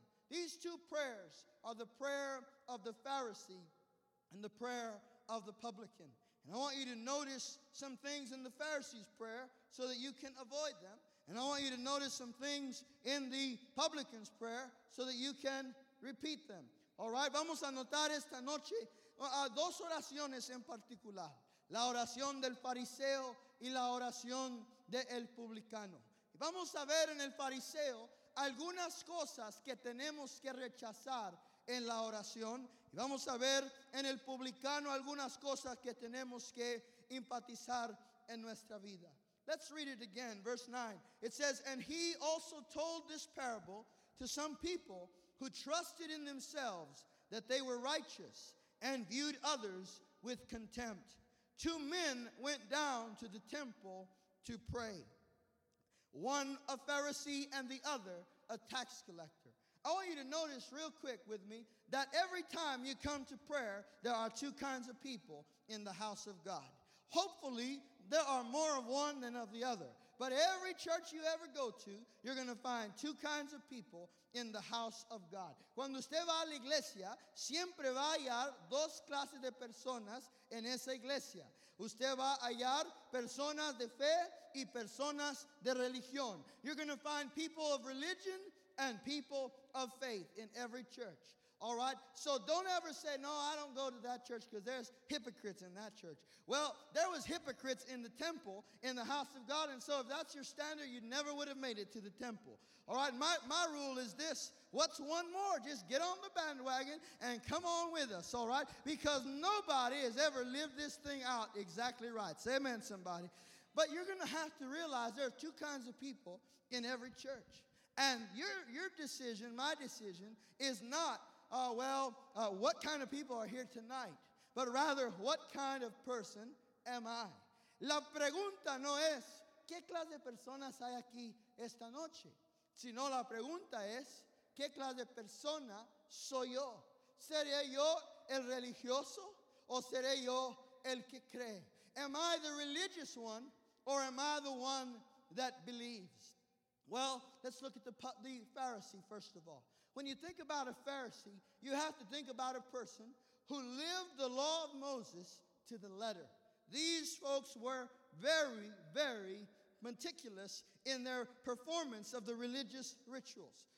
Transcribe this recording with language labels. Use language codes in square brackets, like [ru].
[en] These two prayers are the prayer of the Pharisee and the prayer of the publican. And I want you to notice some things in the Pharisee's prayer so that you can avoid them. And I want you to notice some things in the publican's prayer so that you can repeat them. All right, [es] vamos a notar esta noche a dos oraciones en particular. La oración del fariseo y la oración del publicano. Y vamos a ver en el fariseo algunas cosas que tenemos que rechazar en la oración. Y vamos a ver en el publicano algunas cosas que tenemos que enfatizar en nuestra vida. [en] Let's read it again, verse 9. It says, "And he also told this parable to some people who trusted in themselves that they were righteous and viewed others with contempt. Two men went down to the temple to pray. One a Pharisee and the other a tax collector." I want you to notice real quick with me that every time you come to prayer, there are two kinds of people in the house of God. Hopefully, there are more of one than of the other. But every church you ever go to, you're going to find two kinds of people in the house of God. [es] Cuando usted va a la iglesia, siempre va a hallar dos clases de personas en esa iglesia. Usted va a hallar personas de fe y personas de religión. [en] You're going to find people of religion and people of faith in every church. All right, so don't ever say, "No, I don't go to that church because there's hypocrites in that church." Well, there was hypocrites in the temple, in the house of God, and so if that's your standard, you never would have made it to the temple. All right, my rule is this: what's one more? Just get on the bandwagon and come on with us, all right? Because nobody has ever lived this thing out exactly right. Say amen, somebody. But you're going to have to realize there are two kinds of people in every church. And your decision, my decision, is not, what kind of people are here tonight? But rather, what kind of person am I? [es] La pregunta no es, ¿qué clase de personas hay aquí esta noche? Sino la pregunta es, ¿qué clase de persona soy yo? ¿Seré yo el religioso o seré yo el que cree? [en] Am I the religious one or am I the one that believes? Well, let's look at the Pharisee first of all. When you think about a Pharisee, you have to think about a person who lived the law of Moses to the letter. These folks were very, very meticulous in their performance of the religious rituals.